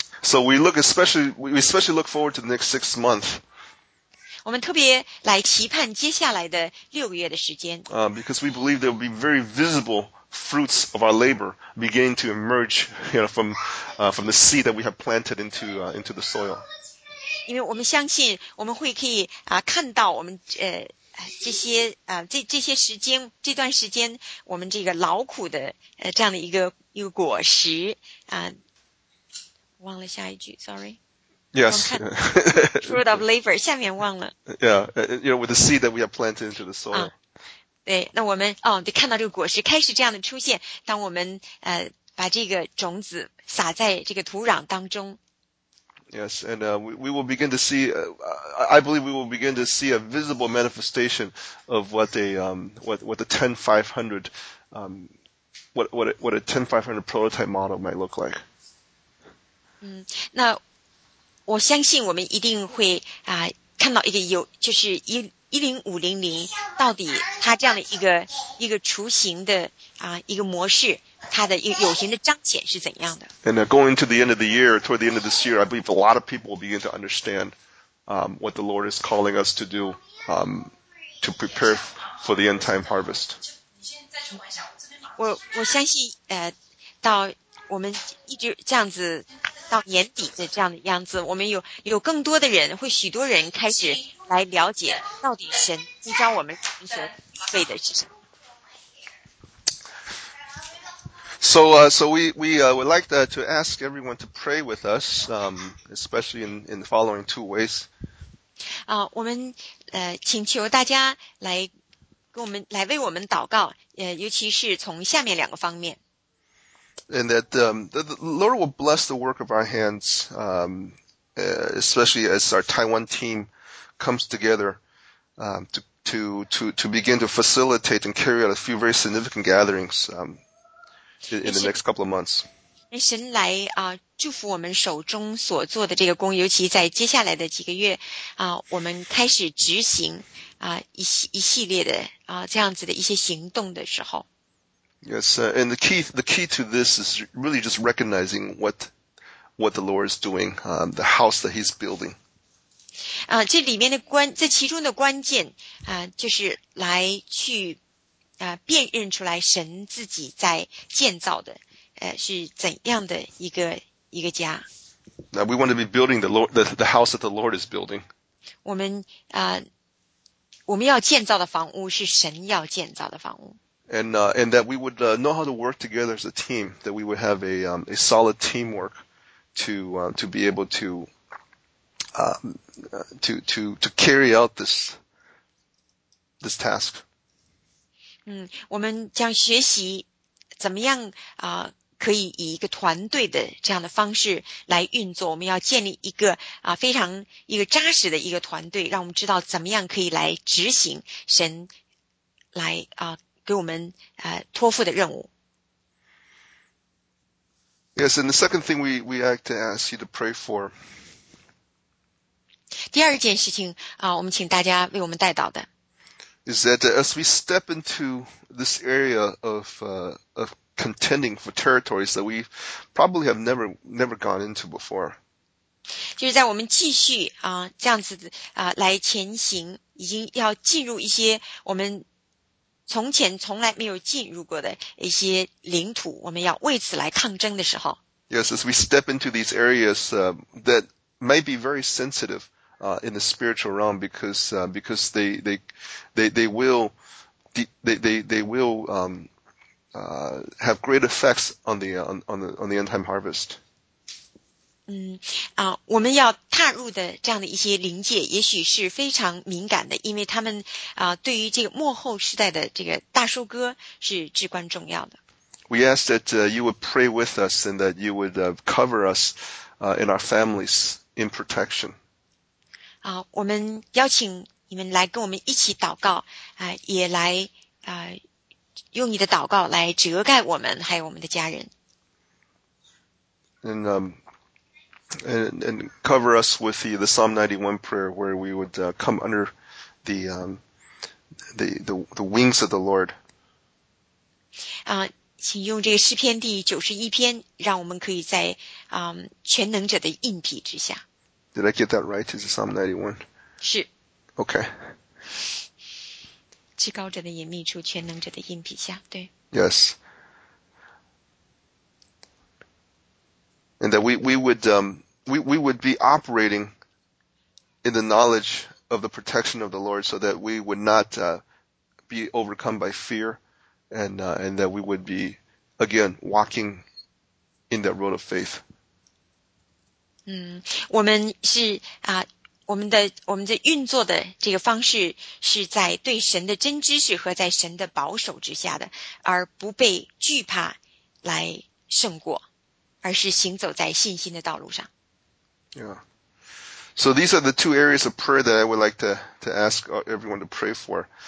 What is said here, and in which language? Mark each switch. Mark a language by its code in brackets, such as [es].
[en] So we especially look forward to the next 6 months. [zh] 我们特别来期盼接下来的六个月的时间。 [en] Because we believe there will be very visible fruits of our labor beginning to emerge, you know, from the seed that we have planted into the soil. [zh] 因为我们相信我们会可以看到我们这些这些时间这段时间我们这个劳苦的这样的一个果实忘了下一句 ， [en] sorry. Yes. Fruit of labor. [zh] 下面忘了。 [en] Yeah, you know, with the seed that we have planted into the soil. [zh] 对，那我们得看到这个果实开始这样的出现。当我们把这个种子撒在这个土壤当中。 [en] Yes, and we will begin to see. I believe we will begin to see a visible manifestation of what the 10-500 what a 10-500 prototype model might look like. [zh] 那我相信我们一定会看到一个就是10500到底它这样的一个雏形的一个模式，它的一个有形的彰显是怎样的。 [en] And going into the end of the year, toward the end of this year, I believe a lot of people will begin to understand what the Lord is calling us to do to prepare for the end time harvest. [zh] 我相信到我们一直这样子到年底的这样的样子，我们有更多的人，会许多人开始来了解到底神呼召我们成神为的是什么。 [en] So we would like to ask everyone to pray with us, especially in the following two ways. [zh] 我们请求大家来跟我们来为我们祷告，尤其是从下面两个方面。 [en] And that the Lord will bless the work of our hands, especially as our Taiwan team comes together to begin to facilitate and carry out a few very significant gatherings. In the next couple of months. [zh] 让神来啊，祝福我们手中所做的这个工，尤其在接下来的几个月啊，我们开始执行啊一系列的啊这样子的一些行动的时候。 [en] Yes, and the key to this is really just recognizing what the Lord is doing, the house that He's building. [zh] 啊，这里面的关，这其中的关键啊，就是来去。辨认出来神自己在建造的是怎样的一个家。 [en] Now we want to be building the house that the Lord is building. [zh] 我们要建造的房屋是神要建造的房屋。 [en] And that we would know how to work together as a team, that we would have a solid teamwork to be able to carry out this task. [zh] 我们将学习怎么样可以以一个团队的这样的方式来运作。我们要建立一个非常一个扎实的一个团队，让我们知道怎么样可以来执行神来给我们托付的任务。 [en] Yes, and the second thing we like to ask you to pray for. [zh] 第二件事情我们请大家为我们带祷的。 [en] Is that as we step into this area of contending for territories that we probably have never gone into before. [zh] 就是在我们继续这样子来前行，已经要进入一些我们从前从来没有进入过的一些领土，我们要为此来抗争的时候。 [en] Yes, as we step into these areas that may be very sensitive. In the spiritual realm, because they will have great effects on the end time harvest. [zh] 我们要踏入的这样的一些灵界，也许是非常敏感的，因为他们对于这个末后时代的这个大收割是至关重要的。 [en] We ask that you would pray with us and that you would cover us in our families in protection. [zh] 我们邀请你们来跟我们一起祷告，也来用你的祷告来遮盖我们还有我们的家人。 [en] And cover us with the Psalm 91 prayer where we would come under the wings of the Lord. [zh] 请用这个诗篇第91篇，让我们可以在全能者的荫庇之下。 [en] Did I get that right? Is it Psalm 91? [zh] 是。 [en] Okay. [zh] 至高者的隐秘处，全能者的荫庇下，对。 [en] Yes. And that we would be operating in the knowledge of the protection of the Lord so that we would not be overcome by fear and that we would be, again, walking in that road of faith. [zh] 我们是我们的运作的这个方式是在对神的真知识和在神的保守之下的，而不被惧怕来胜过，而是行走在信心的道路上。 [en] Yeah. So these are the two areas of prayer that I would like to ask everyone to pray for.